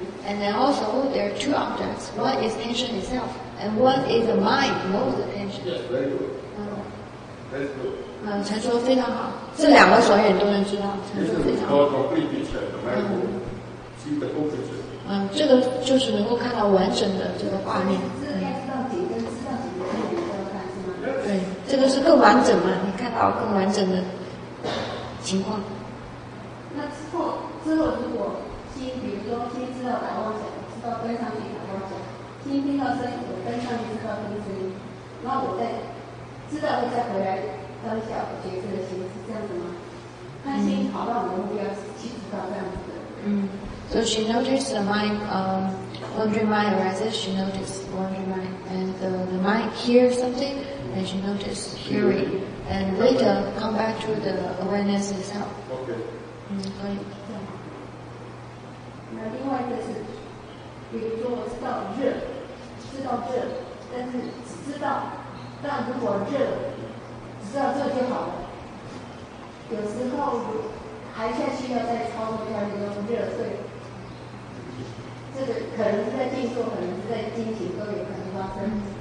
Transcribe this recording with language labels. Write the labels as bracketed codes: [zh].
[en] And then also, there are two objects. What is tension itself? And what is the mind knows the tension? Yes, very good. Very good. [zh] 陈说非常好。这两个所有人都能知道。陈说非常好。 [en] It's called complete picture, the mind knows. See the whole picture. [zh] 这个就是能够看到完整的这个画面。这应该知道几根，知道几根，你都要看，是吗？对，这个是更完整嘛，你看到更完整的情况。那之后如果比如说先知道打妄想，知道跟上去打妄想，先听到声音，我跟上去知道听声音，然后我再知道了再回来当下觉知的心，是这样子吗？那心跑到我的目标，其实到这样子的。 [en] So she noticed the mind, wandering mind arises, she noticed wandering mind, and the mind hears something, and she noticed hearing, and later come back to the awareness itself. Okay. [zh] 可以。那另外一个是，比如说我知道热，知道热，但是只知道，但如果热，只知道热就好了。有时候还在需要再操作一下那种热，所以这个可能是在静坐，可能是在进行，都有可能发生。